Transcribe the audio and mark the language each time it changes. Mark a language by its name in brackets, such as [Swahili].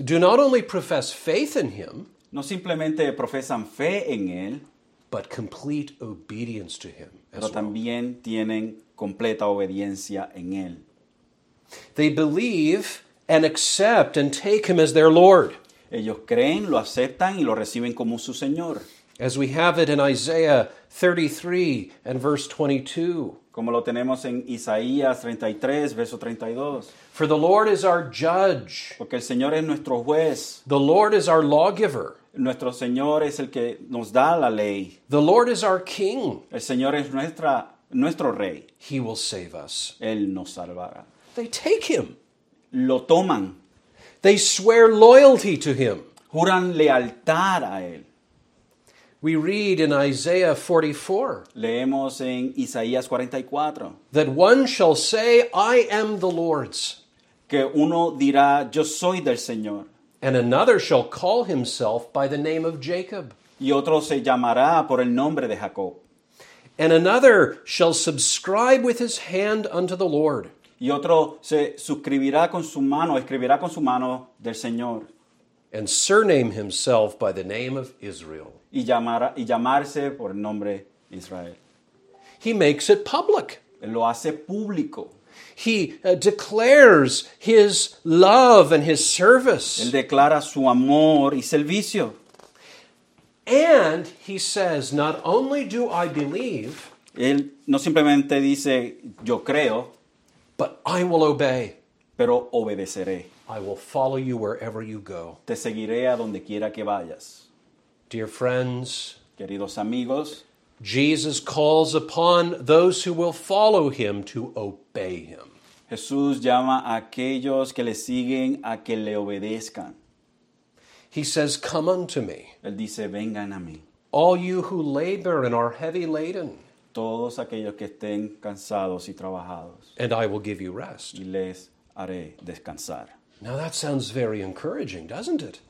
[English] do not only profess faith in him, [Spanish] no simplemente profesan fe en él, [English] but complete obedience to him as [Spanish] well. Pero también tienen completa obediencia en él. [English] They believe and accept and take him as their Lord. [Spanish] Ellos creen, lo aceptan y lo reciben como su Señor. [English] As we have it in Isaiah 33 and verse 22. [Spanish] Como lo tenemos en Isaías 33, verso 32. [English] For the Lord is our judge. [Spanish] Porque el Señor es nuestro juez. [English] The Lord is our lawgiver. [Spanish] Nuestro Señor es el que nos da la ley. [English] The Lord is our king. [Spanish] El Señor es nuestro rey. [English] He will save us. [Spanish] Él nos salvará. [English] They take him. [Spanish] Lo toman. [English] They swear loyalty to him. [Spanish] Juran lealtad a él. [English] We read in Isaiah 44. [Spanish] Leemos en Isaías 44. [English] That one shall say, I am the Lord's. [Spanish] Que uno dirá, yo soy del Señor. [English] And another shall call himself by the name of Jacob. [Spanish] Y otro se llamará por el nombre de Jacob. [English] And another shall subscribe with his hand unto the Lord. [Spanish] Y otro se suscribirá con su mano, escribirá con su mano del Señor. [English] And surname himself by the name of Israel. [Spanish] Y llamarse por el nombre Israel. [English] He makes it public. [Spanish] Él lo hace público. [English] He declares his love and his service. [Spanish] Él declara su amor y servicio. [English] And he says, not only do I believe, [Spanish] él no simplemente dice, yo creo, [English] but I will obey. [Spanish] Pero obedeceré. [English] I will follow you wherever you go. [Spanish] Te seguiré a donde quiera que vayas. [English] Dear friends, [Spanish] queridos amigos, [English] Jesus calls upon those who will follow him to obey him. [Spanish] Jesús llama a aquellos que le siguen a que le obedezcan. [English] He says, come unto me. [Spanish] Él dice, vengan a mí. [English] All you who labor and are heavy laden. [Spanish] Todos aquellos que estén cansados y trabajados. [English] And I will give you rest. [Spanish] Y les haré descansar. [English] Now that sounds very encouraging, doesn't it?